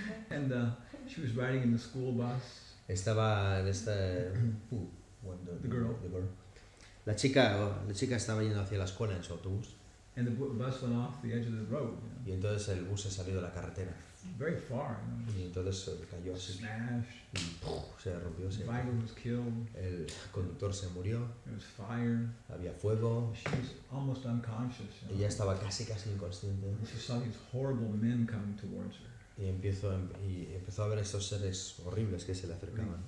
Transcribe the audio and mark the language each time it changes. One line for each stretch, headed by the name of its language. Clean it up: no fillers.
English: And she was riding in the school bus.
Spanish: Estaba en esta
English: the girl.
Spanish: La chica estaba yendo hacia la escuela en su autobús.
English: And the bus went off the edge of the road. You know?
Spanish: Y entonces el bus se salió de la carretera.
English: Very far. You know?
Spanish: Y entonces cayó así.
English: Smash.
Spanish: Y se rompió.
English: The driver was killed.
Spanish: El conductor se murió.
English: There was fire.
Spanish: Había fuego.
English: She was almost unconscious.
Spanish: Y ya estaba casi inconsciente.
English: And she saw these horrible men coming towards her.
Spanish: Y empezó a ver estos seres horribles que se le acercaban.